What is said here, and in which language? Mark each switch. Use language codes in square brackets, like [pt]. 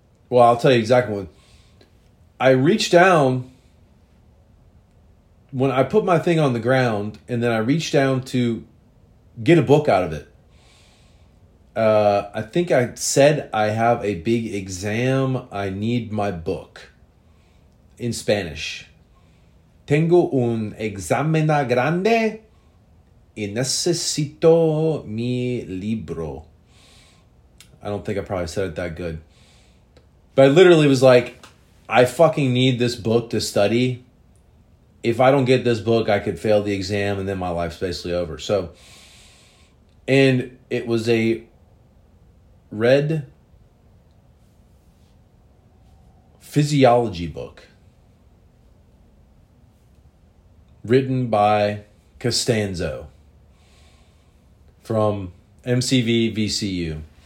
[en] Well, I'll tell you exactly what. I reached down. When I put my thing on the ground, and then I reached down to get a book out of it. I think I said I have a big exam. I need my book in Spanish. [es] Tengo un examen grande y necesito mi libro. [en] I don't think I probably said it that good. But I literally was like, I fucking need this book to study. If I don't get this book, I could fail the exam and then my life's basically over. So, and it was a red physiology book written by Costanzo from MCV VCU.